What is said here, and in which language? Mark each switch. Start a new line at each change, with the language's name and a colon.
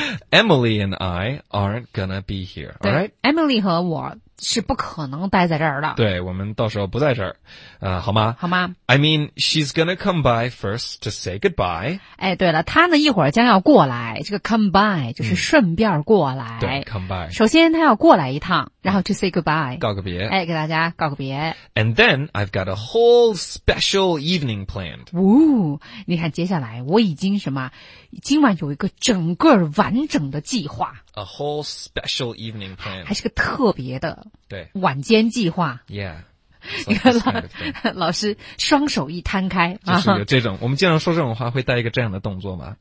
English: Emily and I aren't gonna be here, alright?
Chinese: Emily 和我是不可能待在这儿的。对，我们到时候不在这儿，好吗？好吗
English: ？I mean, she's gonna come by first to say goodbye.
Chinese: 哎，对了，她呢一会儿将要过来，这个 come by 就是顺便过来。对 ，come by。首先她要过来一趟，然后
English: to say goodbye，
Chinese: 告个别。哎，给大家告个别。
English: And then I've got a whole special evening planned.
Chinese: 哦，你看，接下来我已经什么？今晚有一个整个完整的计划。
English: A whole special evening plan.
Chinese: 还是个特别的。对。晚间计划。
English: Yeah.
Chinese: 你看老师双手一摊开。就是有这种、啊、我们经常说这种话会带一个这样的动作吗？